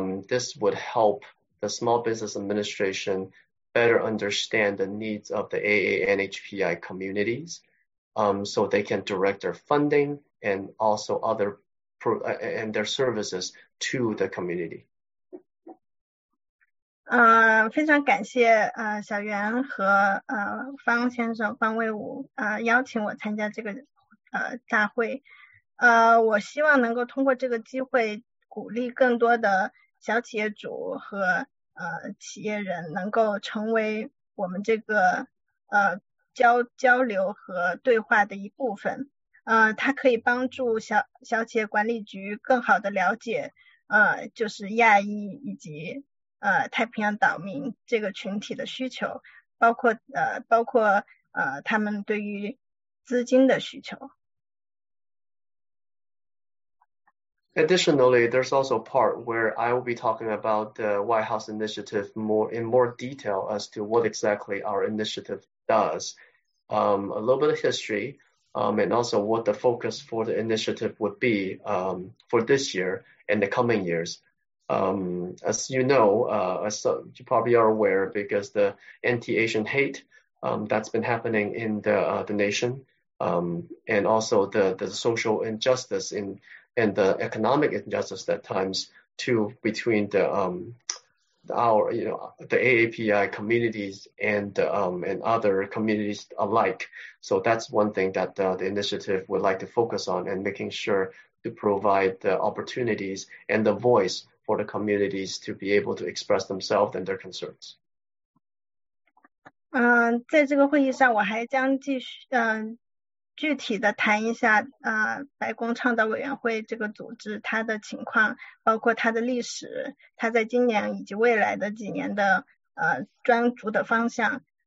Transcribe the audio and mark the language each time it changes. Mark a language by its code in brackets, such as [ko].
[en] This would help the Small Business Administration better understand the needs of the AANHPI communities, so they can direct their funding and also other and their services to the community. [zh] 非常感谢小袁和方先生方卫武邀请我参加这个大会，我希望能够通过这个机会鼓励更多的小企业主和企业人能够成为我们这个交流和对话的一部分。它可以帮助小企业管理局更好的了解就是亚裔以及太平洋岛民这个群体的需求，包括他们对于资金的需求。 [en] Additionally, there's also a part where I will be talking about the White House initiative in more detail as to what exactly our initiative does. A little bit of history, and also what the focus for the initiative would be for this year and the coming years. As you know, as you probably are aware, because the anti-Asian hate that's been happening in the nation, and also the social injustice and the economic injustice at times too between the AAPI communities and other communities alike. So that's one thing that the initiative would like to focus on, and making sure to provide the opportunities and the voice for the communities to be able to express themselves and their concerns. [zh] 在这个会议上我还将继续具体的谈一下白宫倡导委员会这个组织它的情况，包括它的历史，它在今年以及未来的几年的专注的方向。